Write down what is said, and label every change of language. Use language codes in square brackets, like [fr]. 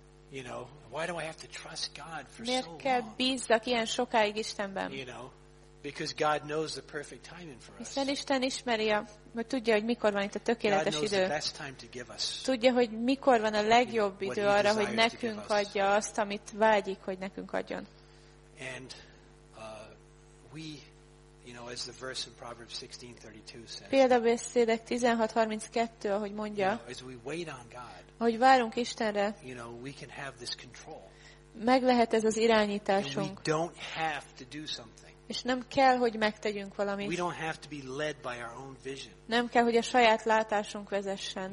[en] You know, why do I have to trust God for [hu] miért [en] so long? [hu] Miért kell bízzak ilyen sokáig Istenben? [en] You know, because God knows the perfect timing for us. [hu] Hiszen Isten ismeri, hogy tudja, hogy mikor van itt a tökéletes [en] God [hu] idő. [en] God knows the best time to give us. [hu] Tudja, hogy mikor van a legjobb idő arra, hogy nekünk adja azt, amit vágyik, hogy nekünk adjon. [en] And we, you know, as the verse in Proverbs 16:32 says. [hu] Példabeszédek 16:32, ahogy mondja. [en] You know, as we wait on God. [hu] Ahogy várunk Istenre. [en] You know, we can have this control. [hu] Meg lehet ez az irányításunk. [en] And we don't have to do something. [hu] És nem kell, hogy megtegyünk valamit. [en] We don't have to be led by our own vision. [hu] Nem kell, hogy a saját látásunk vezessen.